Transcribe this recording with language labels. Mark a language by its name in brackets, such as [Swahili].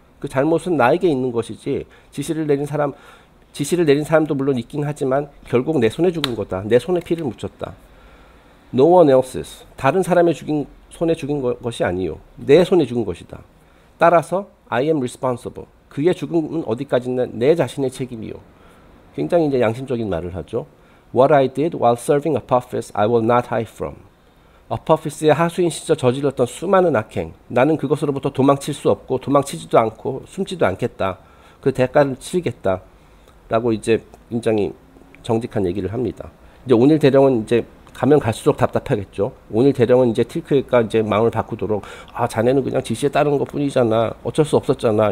[Korean] 그 잘못은 나에게 있는 것이지. 지시를 내린 사람도 물론 있긴 하지만 결국 내 손에 죽은 거다. 내 손에 피를 묻혔다. [English] No one else's. [Korean] 다른 사람의 손에 죽인 것이 아니요. 내 손에 죽은 것이다. 따라서 [English] I am responsible. [Korean] 그의 죽음은 어디까지나 내 자신의 책임이요. 굉장히 이제 양심적인 말을 하죠. [English] What I did while serving Apophis, I will not hide from. [Korean] 어퍼피스의 하수인 시절 저질렀던 수많은 악행, 나는 그것으로부터 도망칠 수 없고 도망치지도 않고 숨지도 않겠다. 그 대가를 치르겠다. 라고 이제 굉장히 정직한 얘기를 합니다. 이제 온일 대령은 이제 가면 갈수록 답답하겠죠. 온일 대령은 이제 틸크가 이제 마음을 바꾸도록, 아, 자네는 그냥 지시에 따른 것뿐이잖아. 어쩔 수 없었잖아.